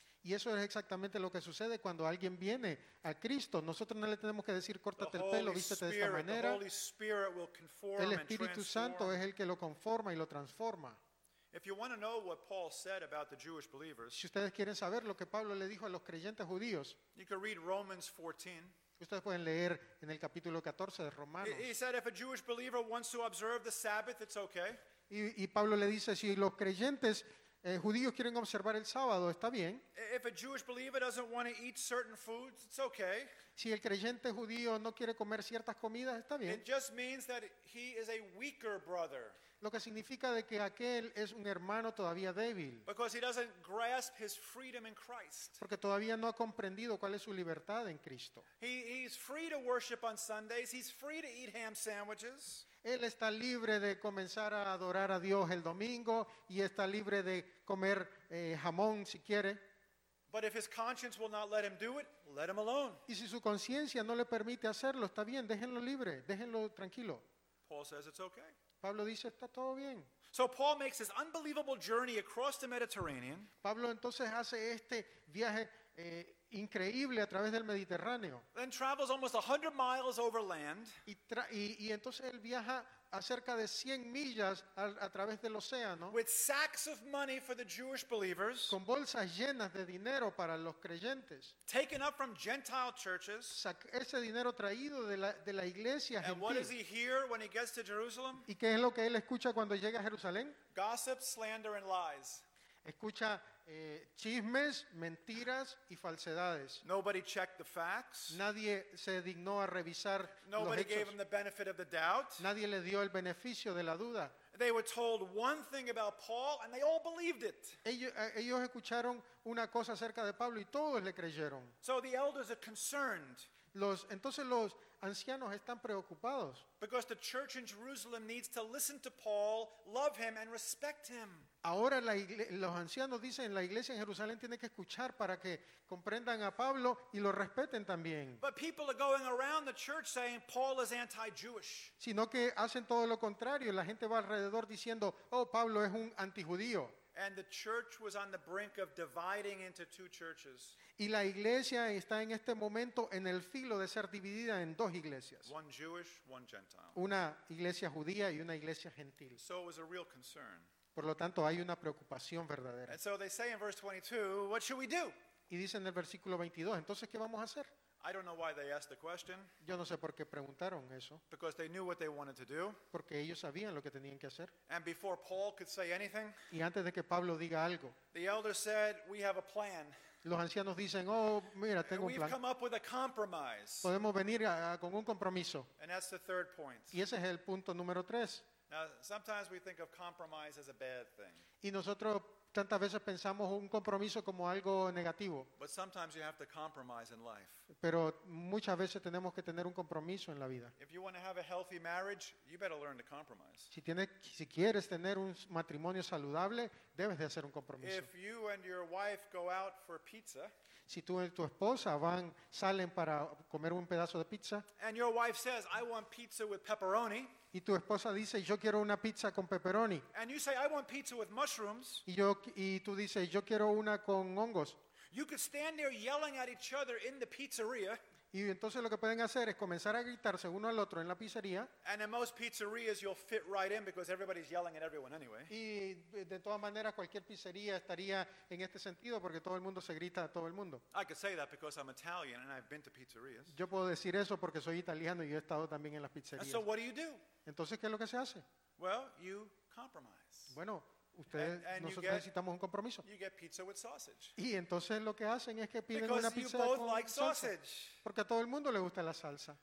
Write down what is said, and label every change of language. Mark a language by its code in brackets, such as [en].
[es] Y eso es exactamente lo que sucede cuando alguien viene a Cristo. Nosotros no le tenemos que decir, córtate el pelo, vístete de esta manera. El Espíritu Santo es el que lo conforma y lo transforma. Si ustedes quieren saber lo que Pablo le dijo a los creyentes judíos, ustedes pueden leer en el capítulo 14 de Romanos. [en] He said if a Jewish believer wants to observe the Sabbath, it's okay. [es] Y Pablo le dice, si los creyentes judíos quieren observar el sábado, está bien. [en] If a Jewish believer doesn't want to eat certain foods, it's okay. [es] Si el creyente judío no quiere comer ciertas comidas, está bien. [en] It just means that he is a weaker brother. [es] Lo que significa de que aquel es un hermano todavía débil. [en] Because he doesn't grasp his freedom in Christ. [es] Porque todavía no ha comprendido cuál es su libertad en Cristo. [en] He's free to worship on Sundays. He's free to eat ham sandwiches. [es] Él está libre de comenzar a adorar a Dios el domingo y está libre de comer jamón si quiere. [en] But if his conscience will not let him do it, let him alone. [es] Y si su conciencia no le permite hacerlo, está bien, déjenlo libre, déjenlo tranquilo. [en] Paul says it's okay. [es] Pablo dice, está todo bien. [en] So Paul makes this unbelievable journey across the Mediterranean. [es] Pablo entonces hace este viaje increíble a través del Mediterráneo. [en] Then travels almost 100 miles over land. [es] Y entonces él viaja acerca de 100 millas a través del océano. [en] With sacks of money for the Jewish believers. [es] Con bolsas llenas de dinero para los creyentes. [en] Taken up from Gentile churches. [es] Ese dinero traído de la iglesia gentil. [en] And what does he hear when he gets to Jerusalem? [es] ¿Y qué es lo que él escucha cuando llega a Jerusalén? [en] Gossip, slander, and lies. [es] Escucha chismes, mentiras y falsedades. [en] Nobody checked the facts. [es] Nadie se dignó a revisar [en] Nobody [es] los hechos. [en] Gave him the benefit of the doubt. [es] Nadie le dio el beneficio de la duda. [en] They were told one thing about Paul and they all believed it. [es] Ellos escucharon una cosa acerca de Pablo y todos le creyeron. [en] So the elders are concerned. [es] Entonces los ancianos están preocupados. [en] Because the church in Jerusalem needs to listen to Paul, love him and respect him. [es] Ahora los ancianos dicen la iglesia en Jerusalén tiene que escuchar para que comprendan a Pablo y lo respeten también. [en] But people are going around the church saying Paul is anti-Jewish. [es] Sino que hacen todo lo contrario, la gente va alrededor diciendo, "Oh, Pablo es un antijudío." [en] And the church was on the brink of dividing into two churches. [es] Y la iglesia está en este momento en el filo de ser dividida en dos iglesias. [en] One Jewish, one Gentile. [es] Una iglesia judía y una iglesia gentil. [en] So it was a real concern. [es] Por lo tanto, hay una preocupación verdadera. [en] And so they say in verse 22, what should we do? [es] Y dicen en el versículo 22, entonces, ¿qué vamos a hacer? [en] I don't know why they asked the question. [es] Yo no sé por qué preguntaron eso. [en] Because they knew what they wanted to do. [es] Porque ellos sabían lo que tenían que hacer. [en] And before Paul could say anything, [es] y antes de que Pablo diga algo, [en] the elder said, we have a plan. [es] Los ancianos dicen, oh, mira, tengo [en] We've [es] un plan. [en] We've come up with a compromise. [es] Podemos venir con un compromiso. [en] And that's the third point. [es] Y ese es el punto número tres. [en] Now, sometimes we think of compromise as a bad thing. [es] Y nosotros tantas veces pensamos un compromiso como algo negativo. [en] But sometimes you have to compromise in life. [es] Pero muchas veces tenemos que tener un compromiso en la vida. [en] If you want to have a healthy marriage, you better learn to compromise. [es] Si quieres tener un matrimonio saludable, debes de hacer un compromiso. [en] If you and your wife go out for pizza, [es] si tú y tu esposa salen para comer un pedazo de pizza, [en] and your wife says, I want pizza with pepperoni, [es] y tu esposa dice, yo quiero una pizza con pepperoni, [en] and you say, I want pizza with mushrooms, [es] y tú dices, yo quiero una con hongos, [en] you could stand there yelling at each other in the pizzeria, [es] y entonces lo que pueden hacer es comenzar a gritarse uno al otro en la pizzería, [en] and in most pizzerias you'll fit right in because everybody's yelling at everyone anyway, [es] y de todas maneras cualquier pizzería estaría en este sentido porque todo el mundo se grita a todo el mundo. [en] I could say that because I'm Italian and I've been to pizzerias. [es] Yo puedo decir eso porque soy italiano y he estado también en las pizzerías. [en] And so what do you do? [es] Entonces, ¿qué es lo que se hace? [en] Well, you compromise. [es] Bueno, nosotros necesitamos un compromiso. [en] You get pizza with sausage. [es] Y entonces lo que hacen es que piden [en] Because [es] una pizza [en] you both [es] con [en] like [es] salsa. [en] Sausage. [es] Porque a todo el mundo le gusta la salsa.